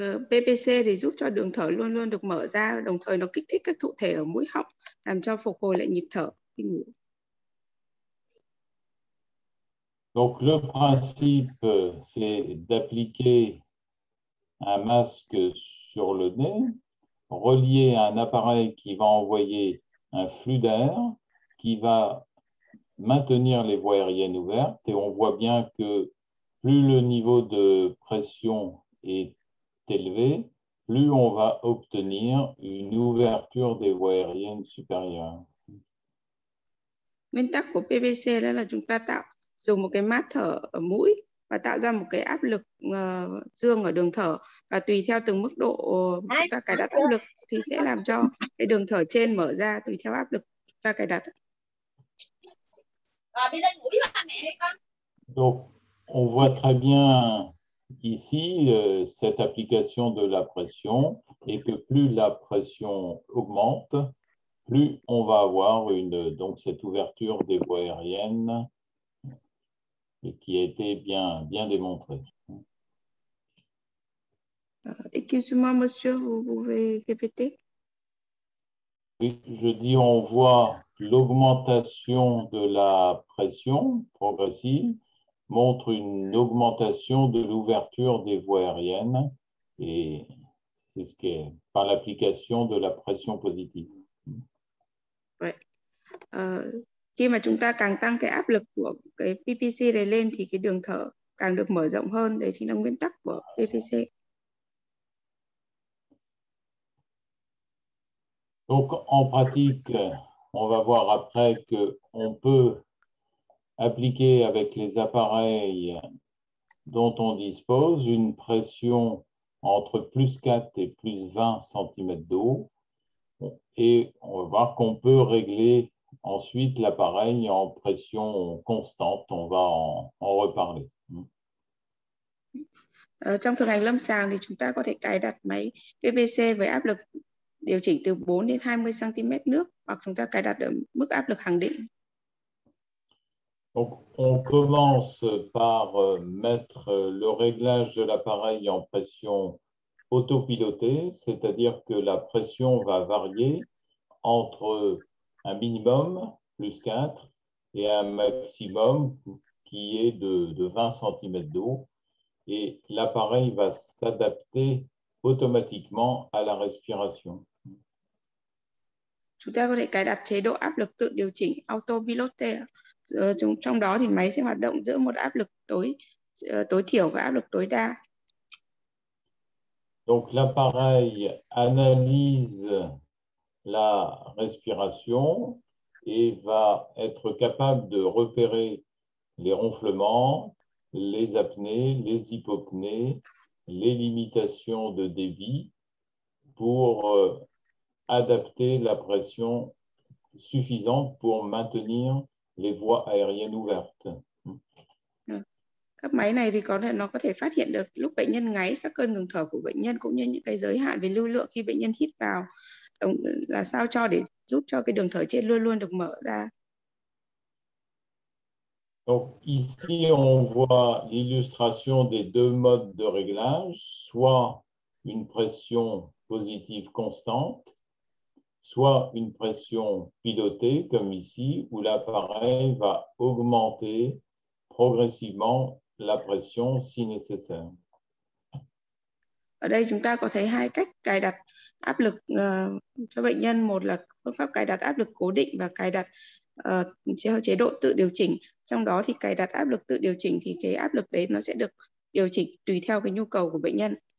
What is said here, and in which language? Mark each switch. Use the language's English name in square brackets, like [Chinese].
[Vietnamese] PPC thì giúp cho đường thở luôn luôn được mở ra, đồng thời nó kích thích các thụ thể ở mũi họng làm cho phục hồi lại nhịp thở. [French] Donc le principe c'est d'appliquer un masque sur le nez, relié à un appareil qui va envoyer un flux d'air qui va maintenir les voies aériennes ouvertes, et on voit bien que plus le niveau de pression est élevé, plus on va obtenir une ouverture des voies aériennes supérieures. [Vietnamese] Nguyên tắc của PPC là chúng ta tạo dùng một cái mát thở ở mũi và tạo ra một cái áp lực dương ở đường thở, và tùy theo từng mức độ chúng ta cài đặt áp lực thì sẽ làm cho cái đường thở trên mở ra tùy theo áp lực ta cài đặt. [French] Donc, on voit très bien ici cette application de la pression, et que plus la pression augmente, plus on va avoir une, donc cette ouverture des voies aériennes et qui a été bien, bien démontrée. Excusez-moi, monsieur, vous pouvez répéter? Oui, je dis on voit l'augmentation de la pression progressive montre une augmentation de l'ouverture des voies aériennes et c'est ce qui est par l'application de la pression positive. Ouais. [Vietnamese] Khi mà chúng ta càng tăng cái áp lực của cái PPC này lên thì cái đường thở càng được mở rộng hơn, đấy chính là nguyên tắc của PPC. [French] Donc en pratique, on va voir après que on peut appliquer avec les appareils dont on dispose une pression entre plus 4 et plus 20 cm d'eau. Et on va voir qu'on peut régler ensuite l'appareil en pression constante. On va en reparler. [Vietnamese] Trong thực hành lâm sàng thì chúng ta có thể cài đặt máy PPC với áp lực điều chỉnh từ 4 đến 20 cm nước hoặc chúng ta cài đặt ở mức áp lực hàng định. [French] Donc, on commence par mettre le réglage de l'appareil en pression autopilotée, c'est-à-dire que la pression va varier entre un minimum, plus 4, et un maximum qui est de 20 cm d'eau. Et l'appareil va s'adapter automatiquement à la respiration. [Vietnamese] Chúng ta có thể cài đặt chế độ áp lực tự điều chỉnh autopilotée. Trong đó thì máy sẽ hoạt động giữa một áp lực tối thiểu và áp lực tối đa. [French] Donc l'appareil analyse la respiration et va être capable de repérer les ronflements, les apnées, les hypopnées, les limitations de débit pour adapter la pression suffisante pour maintenir les voies aériennes ouvertes. [Vietnamese] Các máy này thì nó có thể phát hiện được lúc bệnh nhân ngáy, các cơn ngừng thở của bệnh nhân cũng như những cái giới hạn về lưu lượng khi bệnh nhân hít vào, là sao cho để giúp cho cái đường thở trên luôn luôn được mở ra. [French] Donc ici on voit l'illustration des deux modes de réglage, soit une pression positive constante, soit une pression pilotée, comme ici, où l'appareil va augmenter progressivement la pression si nécessaire. [Vietnamese] Ở đây, chúng ta có thấy hai cách cài đặt áp lực cho bệnh nhân. Một là phương pháp cài đặt áp lực cố định và cài đặt chế độ tự điều chỉnh. Trong đó thì cài đặt áp lực tự điều chỉnh thì cái áp lực đấy nó sẽ được điều chỉnh tùy theo cái nhu cầu của bệnh nhân.